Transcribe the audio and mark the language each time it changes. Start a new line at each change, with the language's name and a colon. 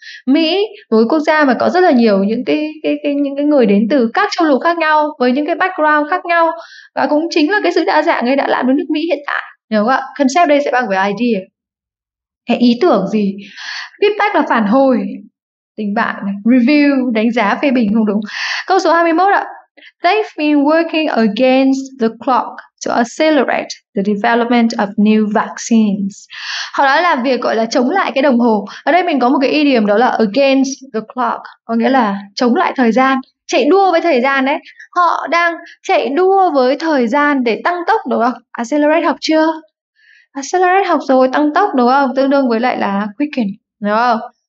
Vietnamese: Mỹ với quốc gia mà có rất là nhiều những cái người đến từ các châu lục khác nhau với những cái background khác nhau, và cũng chính là cái sự đa dạng ấy đã làm đến nước Mỹ hiện tại, đúng không ạ? Concept đây sẽ bằng với idea, cái ý tưởng gì. Feedback là phản hồi tình bạn này, review đánh giá phê bình không đúng. Câu số 21 ạ:
English: They've been working against the clock to accelerate the development of new vaccines.
Vietnamese: Họ đã làm việc gọi là chống lại cái đồng hồ. Ở đây mình có một cái idiom đó là
English: against the clock,
Vietnamese: có nghĩa là chống lại thời gian, chạy đua với thời gian đấy. Họ đang chạy đua với thời gian để tăng tốc, đúng không? Accelerate học chưa? Accelerate học rồi, tăng tốc đúng không? Tương đương với lại là quicken, đúng không?